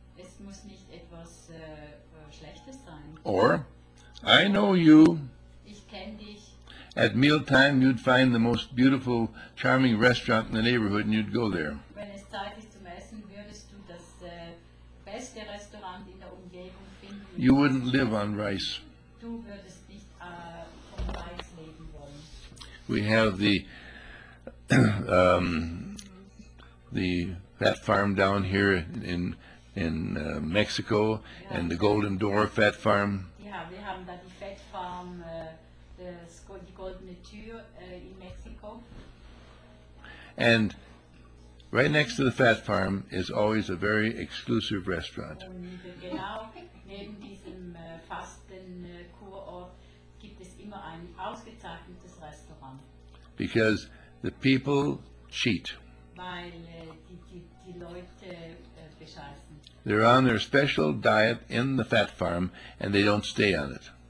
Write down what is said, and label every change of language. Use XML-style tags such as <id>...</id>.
<de>Es muss nicht etwas, Schlechtes sein.</de> <en>Or, I know you.</en> <de>Ich kenn dich.</de> <en>At mealtime, you'd find the most beautiful, charming restaurant in the neighborhood, and you'd go there.</en> <de>Wenn es Zeit ist zum Essen, würdest du das beste Restaurant in der Umgebung finden.</de> <en>You wouldn't live on rice.</en> <de>Du würdest nicht vom Reis leben wollen.</de> <en>We have the fat farm down here in Mexico, yeah. And the Golden Door fat farm.</en> <de>Ja, wir haben da die Fat Farm. The Golden Tür in Mexico.</de> <en>And right next to the fat farm is always a very exclusive restaurant.</en> <de>Genau neben diesem Fastenkurort gibt es immer ein ausgezeichnetes Restaurant.</de> <en>Because the people cheat.</en> <de>Weil die Leute bescheißen.</de> <en>They're on their special diet in the fat farm and they don't stay on it.</en>